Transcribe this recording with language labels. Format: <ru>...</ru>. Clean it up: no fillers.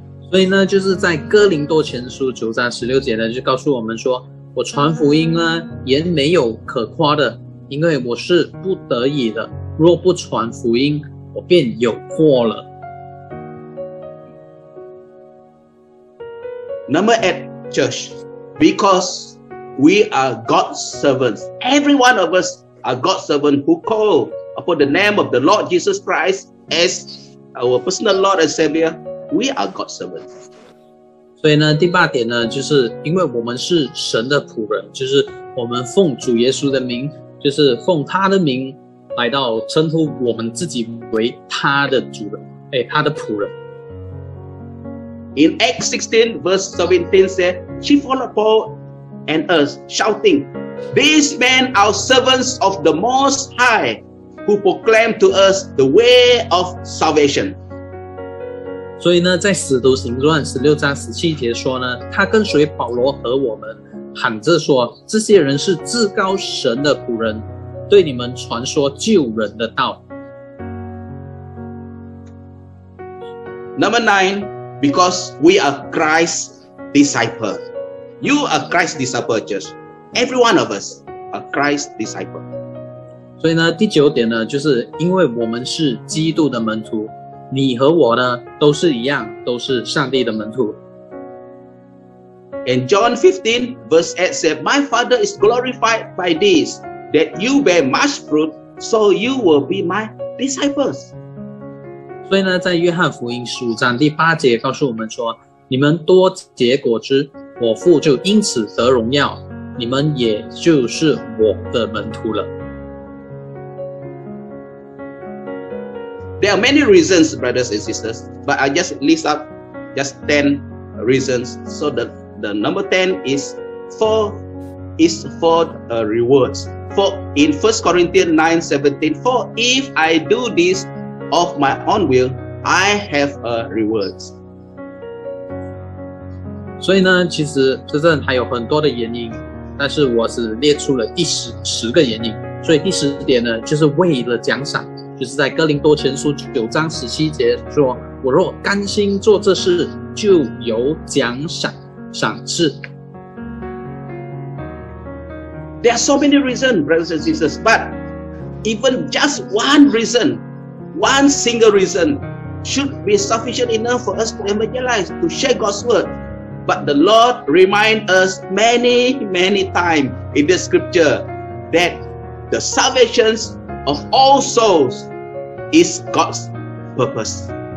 <zh>所以呢，就是在哥林多前书九章十六节呢，就告诉我们说，我传福音呢，也没有可夸的，因为我是不得已的。若不传福音，我便有祸了。</zh> <en>Number eight, church, because we are God's servants. Every one of us are God's servant who call upon the name of the Lord Jesus Christ as our personal Lord and Savior. We are God's servants.</en> <zh>所以呢，第八点呢，就是因为我们是神的仆人，就是我们奉主耶稣的名，就是奉他的名来到称呼我们自己为他的主人，他的仆人。</zh> <en>In Acts 16 verse 17 said, She followed Paul and us, shouting, These men are servants of the Most High, who proclaim to us the way of salvation.</en> <zh>所以呢，在使徒行传十六章十七节说呢，他跟随保罗和我们喊着说，这些人是至高神的仆人，对你们传说救人的道。</zh> <en>Number nine, because we are Christ's disciple. You are Christ's disciple, just every one of us are Christ's disciple.</en> <zh>所以呢，第九点呢，就是因为我们是基督的门徒。你和我呢，都是一样，都是上帝的门徒。</zh> <en>And John 15 verse 8 said, My Father is glorified by this, that you bear much fruit, so you will be my disciples.</en> <zh>所以呢，在约翰福音十五章第八节告诉我们说，你们多结果子，我父就因此得荣耀，你们也就是我的门徒了。</zh> <en>There are many reasons, brothers and sisters, but I just list up just 10 reasons. So the number 10 is for rewards. For in 1 Corinthians 9:17, For if I do this of my own will, I have a reward.</en> <zh>所以呢，其实真正还有很多的原因，但是我是列出了第十个原因。所以第十点呢，就是为了奖赏。就是在哥林多前书九章十七节说，我若甘心做这事，就有赏赐。</zh> <en>There are so many reasons, brothers and sisters, but even just one reason, one single reason, should be sufficient enough for us to evangelize, to share God's word, But the Lord reminds us many, many times in the scripture that the salvation of all souls is God's purpose.</en>